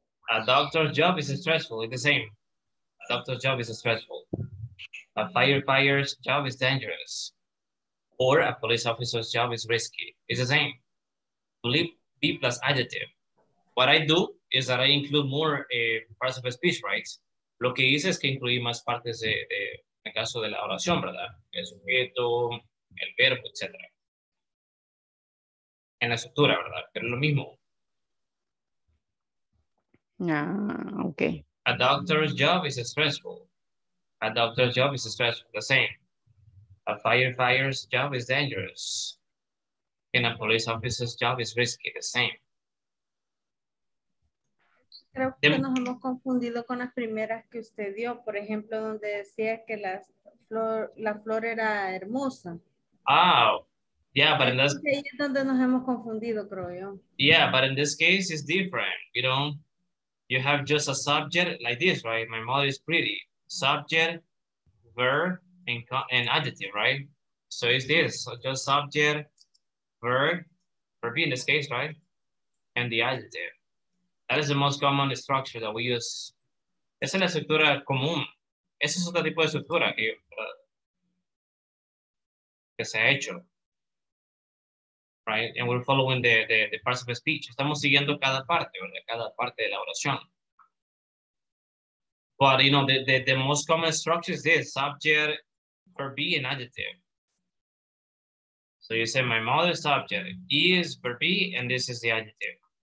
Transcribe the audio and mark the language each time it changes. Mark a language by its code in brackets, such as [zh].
[en] A doctor's job is stressful, it's the same. A doctor's job is stressful. A firefighter's job is dangerous. Or a police officer's job is risky. It's the same. B plus adjective. What I do is that I include more parts of a speech, right? [es] Lo que hice es que incluí más partes de en el caso de la oración, ¿verdad? El sujeto, el verbo, etc. En la estructura, ¿verdad? Pero lo mismo. [en] Ah, okay. A doctor's job is stressful. A doctor's job is stressful. The same. A firefighter's job is dangerous. And a police officer's job is risky. The same. [es] Creo que nos hemos confundido con las primeras que usted dio. Por ejemplo, donde decía que la flor era hermosa. [en] Ah, yeah, but in this case, [es] es donde nos hemos confundido, creo yo. [en] Yeah, but in this case, it's different. You know, you have just a subject like this, right? My mother is pretty. Subject, verb, and adjective, right? So it's this. So just subject, verb in this case, right? And the adjective. That is the most common structure that we use. [es] Esa es la estructura común. Ese es otro tipo de estructura que se ha hecho. [en] Right? And we're following the parts of the speech. [es] Estamos siguiendo cada parte, ¿verdad? Cada parte de la oración. [en] But, you know, the most common structure is this. Subject, verb, and adjective. So you say, my mother's subject is verb, and this is the adjective.